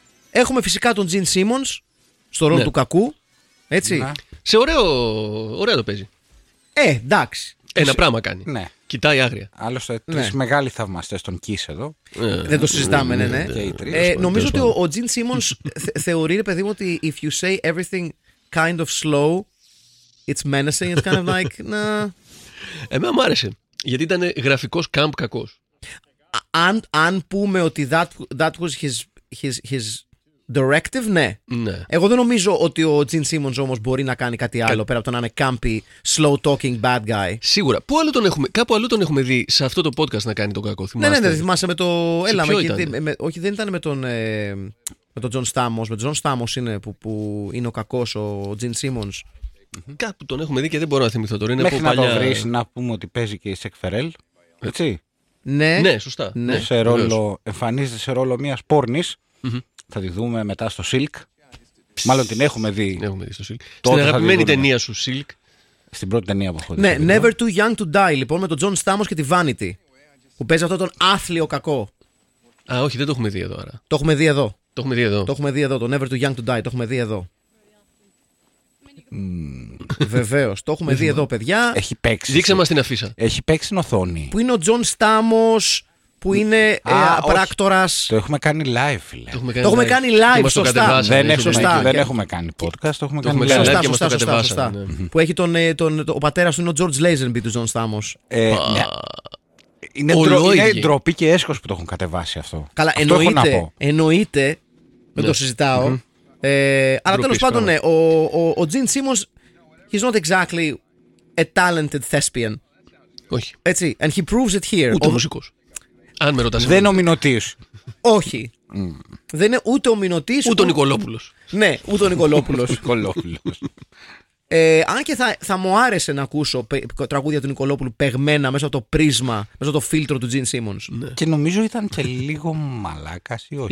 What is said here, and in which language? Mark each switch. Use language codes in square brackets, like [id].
[el] Έχουμε φυσικά τον Gene Simmons στο ρόλο ναι. του κακού, έτσι. Ναι. Σε ωραίο το παίζει. Εντάξει. Ένα πράγμα κάνει. Ναι. Κοιτάει άγρια. Άλλωστε, τρεις ναι. μεγάλοι θαυμαστές τον Kiss εδώ. Δεν το συζητάμε, ναι. Και νομίζω ότι ο Gene Simmons θεωρεί, παιδί μου, ότι [en] if you say everything kind of slow, it's menacing, it's kind of like, nah. [el] Εμένα μου άρεσε, γιατί ήταν γραφικός camp κακός. Αν πούμε ότι [en] that was his directive, [el] ναι. ναι. Εγώ δεν νομίζω ότι ο Gene Simmons όμως μπορεί να κάνει κάτι άλλο πέρα από το να είναι [en] campy, slow talking bad guy. [el] Σίγουρα. Πού άλλο τον έχουμε, κάπου αλλού τον έχουμε δει σε αυτό το podcast να κάνει τον κακό. Θυμάστε. Ναι, δεν θυμάσαι με το. Έλα, όχι, δεν ήταν με τον John Stamos. Με τον John Stamos είναι που είναι ο κακός ο Gene Simmons. Mm-hmm. Κάπου τον έχουμε δει και δεν μπορώ να θυμηθώ τώρα. Μέχρι από παλιά... να το βρεις, να πούμε ότι παίζει και η Σεκ Φερέλ. Έτσι. Ναι. Ναι, σωστά. Ναι. Σε ρόλο, εμφανίζεται σε ρόλο μιας πόρνης. Mm-hmm. Θα τη δούμε μετά στο Silk. Μάλλον την έχουμε δει. Την έχουμε δει στο Silk. Στην αγαπημένη ταινία σου, Silk. Στην πρώτη ταινία που έχω δει. Ναι, Never Too Young to Die, λοιπόν, με τον John Stamos και τη Vanity. Που παίζει αυτόν τον άθλιο κακό. Α, όχι, δεν το έχουμε δει εδώ. Άρα. Το έχουμε δει εδώ. Το έχουμε δει εδώ. Το έχουμε δει εδώ. Το Never Too Young to Die, το έχουμε δει εδώ. Βεβαίως, το έχουμε δει εδώ, παιδιά. Έχει παίξει. Δείξε μας την αφίσα. Έχει παίξει την οθόνη. Που είναι ο John Stamos. Που είναι πράκτορας. Το έχουμε κάνει live, λέει. Το έχουμε κάνει live, σωστά. Δεν έχουμε κάνει podcast, το έχουμε κάνει live. Σωστά, σωστά, σωστά. Που έχει τον... ο πατέρας του είναι ο George Lazenby του John Stamos. Είναι ντροπή και έσχος που το έχουν κατεβάσει αυτό. Καλά, εννοείται. Δεν το συζητάω. Αλλά τέλος πάντων, ο Gene Simmons, [en] he's not exactly a talented thespian. [el] Όχι. [en] Έτσι, and he proves it here. [el] Ούτε μουσικός. Αν με ρωτάς, δεν είναι ομινωτής. Όχι. Δεν είναι ούτε ομινωτής. Ούτε ο Νικολόπουλος. Ναι, ούτε ο Νικολόπουλος. Νικολόπουλος. Αν και θα μου άρεσε να ακούσω τραγούδια του Νικολόπουλου παιγμένα μέσα από το πρίσμα, μέσα από το φίλτρο του Gene Simmons. Ναι. Και νομίζω ήταν και λίγο μαλάκας ή όχι.